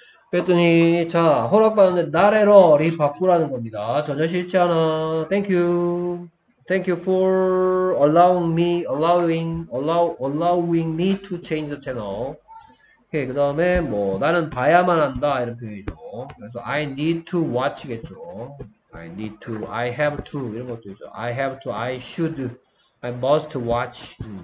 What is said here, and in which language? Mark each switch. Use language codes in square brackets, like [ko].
[ko] 그랬더니 자 허락받았는데 나래러리 바꾸라는 겁니다. 전혀 싫지 않아. [en] Thank you for allowing me to change the channel. [ko] 오케이. 그 다음에 뭐 나는 봐야만 한다 이런 표현이죠. [en] 그래서 I need to watch 겠죠. I need to, I have to [ko] 이런 것도 있죠. [en] I have to, I should, I must watch.